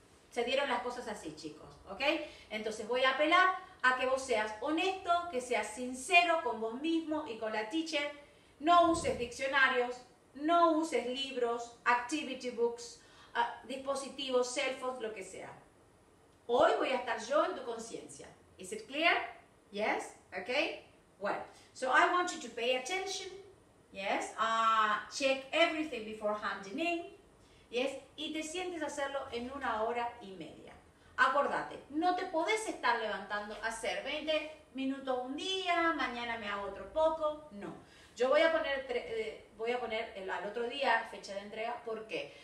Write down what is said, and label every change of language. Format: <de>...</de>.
<es>Se dieron las cosas así, chicos. ¿Ok? Entonces voy a apelar a que vos seas honesto, que seas sincero con vos mismo y con la teacher. No uses diccionarios, no uses libros,</es> <en>activity books,</en> <es>dispositivos,</es> <en>cell phones,</en> <es>lo que sea. Hoy voy a estar yo en tu conciencia.</es> <en>Is it clear? Yes? Okay? Well, so I want you to pay attention. Yes? Check everything before handing in. Yes?</en> <es>Y te sientes a hacerlo en una hora y media. Acordate, no te podés estar levantando a hacer 20 minutos un día, mañana me hago otro poco, no. Yo voy a poner, al otro día fecha de entrega, ¿por qué?</es>